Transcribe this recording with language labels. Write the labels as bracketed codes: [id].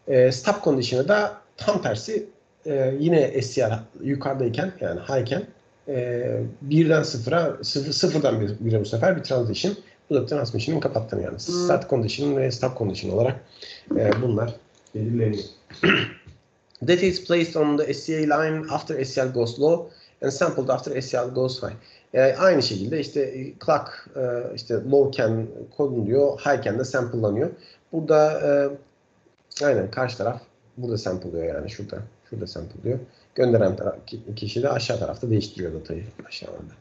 [tr] Stop condition'ı da tam tersi yine STL yukarıdayken yani high'ken birden sıfıra, sıfırdan bire bu sefer bir transition. Bu da transmission'ın kapattığını yani. Start condition ve stop condition olarak bunlar belirleniyor. [en] Data is placed on the STA line after STL goes low and sampled after STL goes high. [tr] Aynı şekilde işte clock işte lowken konuluyor, highken de sample'lanıyor. Burada aynen karşı taraf burada sample'lıyor yani şurada. Şurada sample'lıyor. Gönderen kişi de aşağı tarafta değiştiriyor datayı aşağıda.